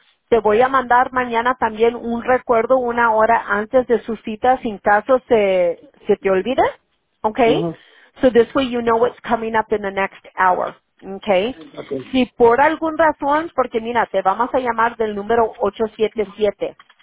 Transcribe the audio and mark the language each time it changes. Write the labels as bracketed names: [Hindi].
[Spanish] Te voy a mandar mañana también un recuerdo una hora antes de su cita, sin caso se te olvide. [English] Okay? Uh-huh. So this way you know what's coming up in the next hour. Okay. Okay. [Spanish] Si por algún razón, porque mira, te vamos a llamar del número 877.